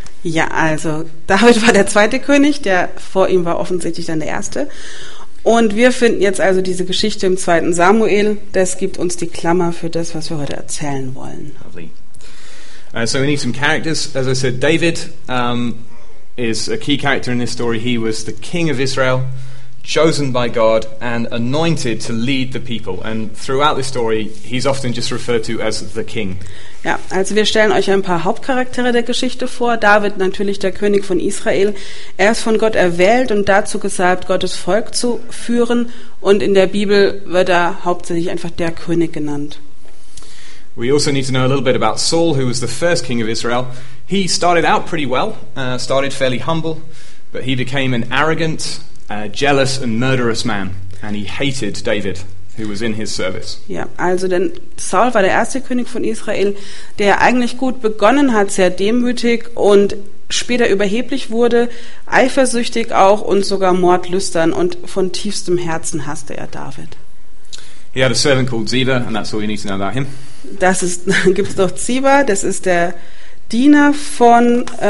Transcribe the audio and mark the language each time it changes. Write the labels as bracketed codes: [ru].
[de] Ja, also David war der zweite König, der vor ihm war offensichtlich dann der erste. Und wir finden jetzt also diese Geschichte im 2. Samuel. Das gibt uns die Klammer für das, was wir heute erzählen wollen. [en] Lovely. So we need some characters. As I said, David is a key character in this story. He was the king of Israel, chosen by God and anointed to lead the people. And throughout the story, he's often just referred to as the king. [de] Ja, also wir stellen euch ein paar Hauptcharaktere der Geschichte vor. David, natürlich der König von Israel. Er ist von Gott erwählt und dazu gesalbt, Gottes Volk zu führen. Und in der Bibel wird er hauptsächlich einfach der König genannt. [en] We also need to know a little bit about Saul, who was the first king of Israel. He started out pretty well, started fairly humble, but he became an arrogant, jealous and murderous man, and he hated David, who was in his service. [de] Ja, also denn Saul war der erste König von Israel, der eigentlich gut begonnen hat, sehr demütig und später überheblich wurde, eifersüchtig auch und sogar mordlüstern, und von tiefstem Herzen hasste er David. [en] He had a servant called Ziba, and that's all you need to know about him. [de] Das ist, gibt's doch Ziba, das ist der Diener von